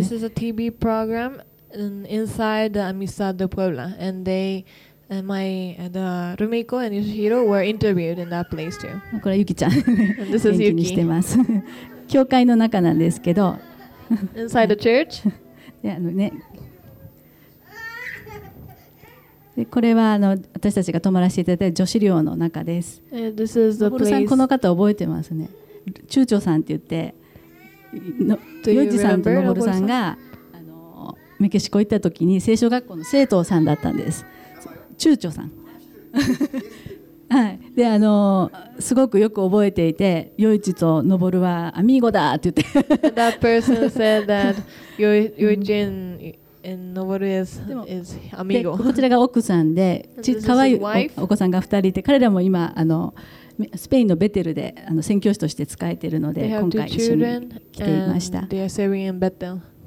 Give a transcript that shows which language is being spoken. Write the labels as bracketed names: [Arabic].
[English] This is a TV program inside Amistad de Puebla, and they, my, the Rumiko and Yoshihiro were interviewed in that place too. [Japanese] これはユキちゃん。 [English] This is Yuki. [Japanese] 気にしてます。教会の中なんですけど。 [English] Inside the church? [Japanese] であのね。でこれはあの私たちが泊まらせていただいた女子寮の中です。 [English] This is the place. [Japanese] この方覚えてますね。中長さんって言って、ヨジさんとノボルさんがあのメキシコ行った時に聖書学校の生徒さんだったんです。中長さん。はい。であのすごくよく覚えていて、ヨジとノボルはアミーゴだって言って。 [English] That person said that Yoji and And Noboru is amigo. [Japanese] こちらが奥さんで、可愛いお子さんが2人いて、彼らも今あのスペインのベテルであの宣教師として使えているので、今回一緒に来ていました。 [English] They are serving in Bethel.